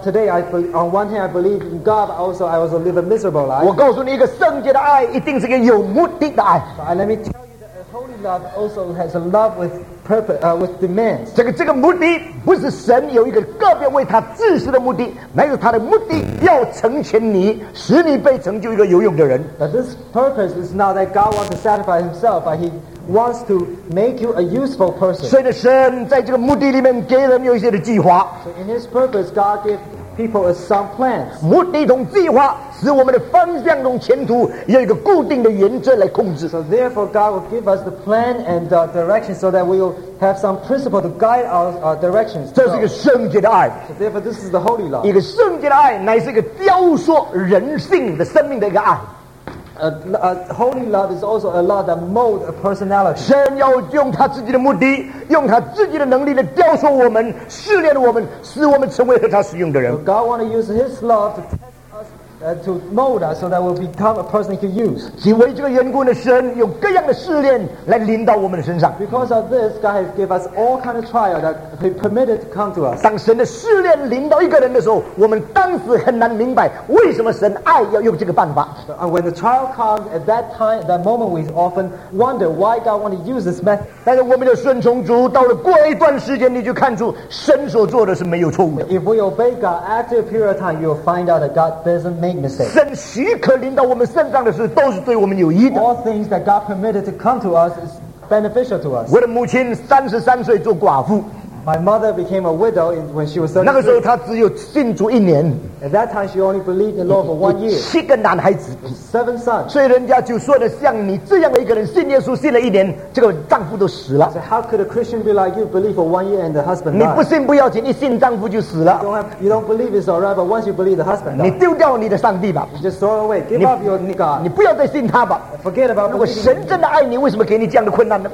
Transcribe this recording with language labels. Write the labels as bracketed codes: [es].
[en] On one hand, I believe in God, but also I also live a miserable life. [zh] 我告诉你，一个圣洁的爱一定是个有目的的爱。 [en] But let me tell you that a holy love also has a love with purpose, with demands. [zh] 这个目的不是神有一个个别为他自私的目的，乃是他的目的要成全你，使你被成就一个有用的人。 [en] But this purpose is not that God wants to satisfy Himself, but He wants to make you a useful person. [zh] 所以呢，神在这个目的里面给人有一些的计划。 [en] So in His purpose, God gives people some plans. [zh] 目的同计划使我们的方向同前途有一个固定的原则来控制。 [en] So therefore, God will give us the plan and the direction so that we will have some principle to guide our directions. [zh] 这是一个圣洁的爱。 [en] So therefore, this is the holy love. [zh] 一个圣洁的爱乃是一个雕塑人性的生命的一个爱。 [en] Holy love is also a love that molds a personality. [zh] 神要用他自己的目的，用他自己的能力来雕塑我们，试炼我们，使我们成为和他使用的人。 [en] So God wants to use His love to test us, to mold us, so that we'll become a person He can use. [zh] 因为这个缘故呢，神用各样的试炼来临到我们的身上。 [en] Because of this, God has given us all kind of trial that He permitted to come to us. [zh] 当神的试炼临到一个人的时候，我们当时很难明白为什么神爱要用这个办法。 [en] And when the trial comes, at that time, that moment, we often wonder why God wants to use this method. [zh] 但是我们要顺从主，到了过一段时间，你就看出神所做的是没有错误的。 [en] If we obey God, after a period of time, you'll find out that God doesn't make mistakes. [zh] 神许可临到我们身上的事，都是对我们有益的。 [en] All things that God permitted to come to us is beneficial to us. [zh] 我的母亲33岁做寡妇。 [en] My mother became a widow when she was [zh] 那个时候她只有信主一年。 [en] At that time, she only believed in the Lord for 1 year. [zh] 7个男孩子 [en] 7 sons. [zh] 所以人家就说的，像你这样的一个人，信耶稣信了一年，这个丈夫都死了。 [en] So how could a Christian be like you, believe for 1 year and the husband died? [zh] 你不信不要紧，一信丈夫就死了。 [en] You don't believe it's alright, but once you believe the husband died, [zh] 你丢掉你的上帝吧。 [en] You just throw away, give up your God. [zh] 你不要再信他吧。 [en] Forget about. [zh] 如果神真的爱你，为什么给你这样的困难呢？